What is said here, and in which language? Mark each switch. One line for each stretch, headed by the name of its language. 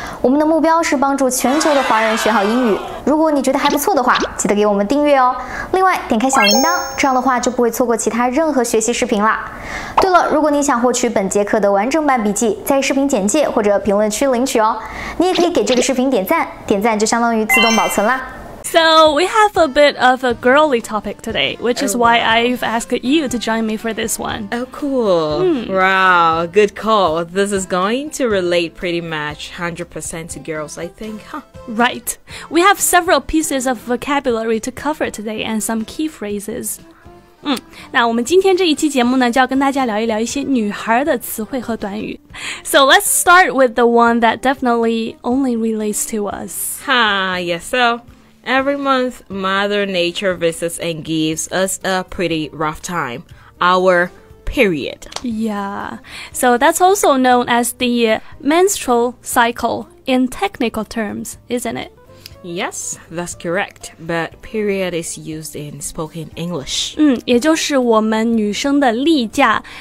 Chinese: 我们的目标是帮助全球的华人学好英语。如果你觉得还不错的话，记得给我们订阅哦。另外，点开小铃铛，这样的话就不会错过其他任何学习视频啦。对了，如果你想获取本节课的完整版笔记，在视频简介或者评论区领取哦。你也可以给这个视频点赞，点赞就相当于自动保存啦。
English: So we have a bit of a girly topic today, which is why I've asked you to join me for this one. Oh, cool. Wow, good call. This is going to relate pretty much 100% to girls, I think, huh? Right. We have several pieces of vocabulary to cover today and some key phrases.
Chinese: 那我们今天这一期节目呢就要跟大家聊一聊一些女孩的词汇和短语。
English: So let's start with the one that definitely only relates to us. Yes, so. Every month, Mother Nature visits and gives us a pretty rough time, our period. Yeah, so that's also known as the menstrual cycle in technical terms, isn't it? Yes, that's correct, but period is used in spoken English.
Chinese: 也就是我们女生的例假。